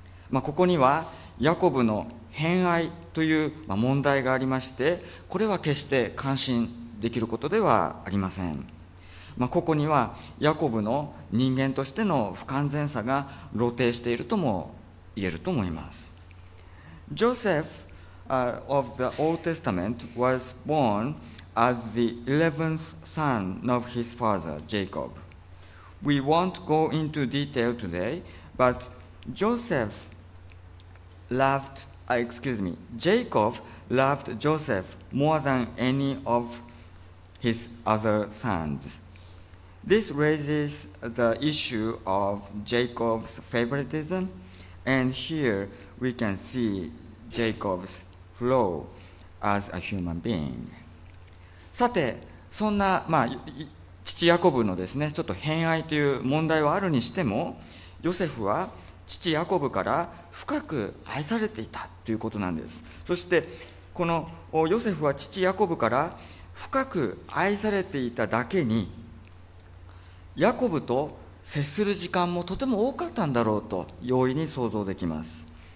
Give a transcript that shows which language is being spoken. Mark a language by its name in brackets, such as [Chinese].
[Japanese] まあ、ここにはヤコブの偏愛という問題がありまして、これは決して感心できることではありません。まあ、ここにはヤコブの人間としての不完全さが露呈しているとも言えると思います。 [English] Joseph, of the Old Testament was born as the 11th son of his father, Jacob. We won't go into detail today, but Joseph loved, excuse me, Jacob loved Joseph more than any of his other sons. This raises the issue of Jacob's favoritism, and here we can see Jacob's flaw as a human being. [Japanese] さて、そんな、まあ、父ヤコブのですね、ちょっと偏愛という問題はあるにしても、ヨセフは父ヤコブから深く愛されていたということなんです。そしてこのヨセフは父ヤコブから深く愛されていただけに、ヤコブと接する時間もとても多かったんだろうと容易に想像できます。